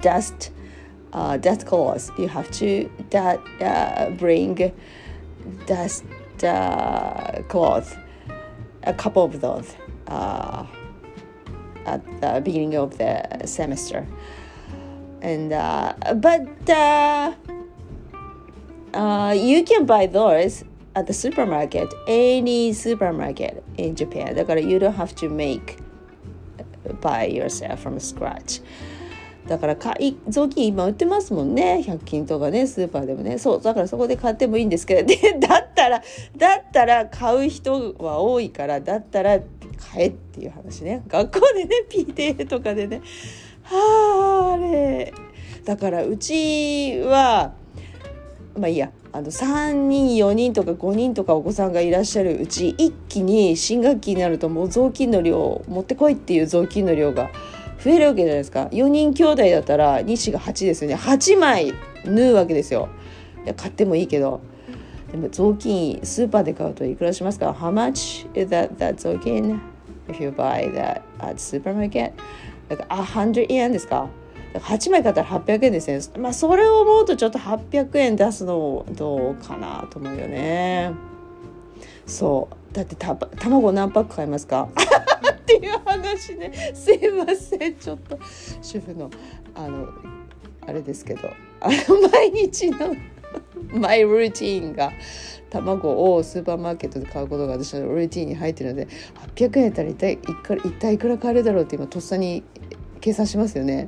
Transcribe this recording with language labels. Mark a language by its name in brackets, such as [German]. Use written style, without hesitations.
[English] Dust cloths. You have to bring dust cloth, a couple of those, at the beginning of the semester. And but you can buy those at the supermarket, any supermarket in Japan. [Japanese] だから [English] you don't have to make by yourself from scratch. [Japanese] だから雑巾今売ってますもんね、100均とかね、スーパーでもね。そうだからそこで買ってもいいんですけど、でだったら買う人は多いから、だったら買えっていう話ね。学校でね、 PTA とかでね、はあれ。だからうちはまあいいや、あの3人4人とか5人とかお子さんがいらっしゃるうち、一気に新学期になるともう雑巾の量持ってこいっていう雑巾の量が増えるわけじゃないですか。 4人兄弟だったら2子が8ですよね。8枚縫うわけですよ。いや買ってもいいけど、でも雑巾スーパーで買うといくらしますか。 [English] How much is that 雑巾 if you buy that at supermarket? Like 100 yen [Japanese] ですか。8枚買ったら800円ですね。まあそれを思うとちょっと800円出すのどうかなと思うよね。そうだって卵何パック買いますかっていう話ね。すいません、ちょっと主婦のあのあれですけど、あの毎日のマイルーティーンが卵をスーパーマーケットで買うことが私のルーティーンに入っているので、800円だったら一体いくら買えるだろうって今とっさに計算しますよね。